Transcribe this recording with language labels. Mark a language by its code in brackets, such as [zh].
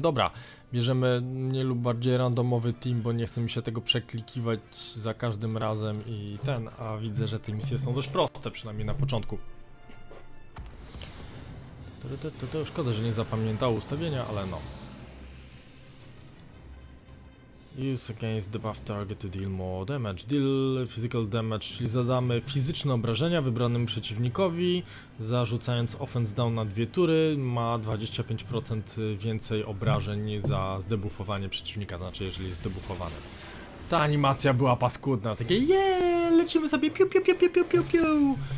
[pl] Dobra, bierzemy mniej lub bardziej randomowy team, bo nie chce mi się tego przeklikiwać za każdym razem i ten, a widzę, że te misje są dość proste, przynajmniej na początku. To szkoda, że nie zapamiętało ustawienia, ale no. [en] Use against debuff target to deal more damage. Deal physical damage, [pl] czyli zadamy fizyczne obrażenia wybranemu przeciwnikowi, zarzucając offense down na dwie tury, ma 25% więcej obrażeń za zdebuffowanie przeciwnika, znaczy jeżeli jest debuffowany. Ta animacja była paskudna, takie yeee, lecimy sobie piu piu piu piu piu piu piu.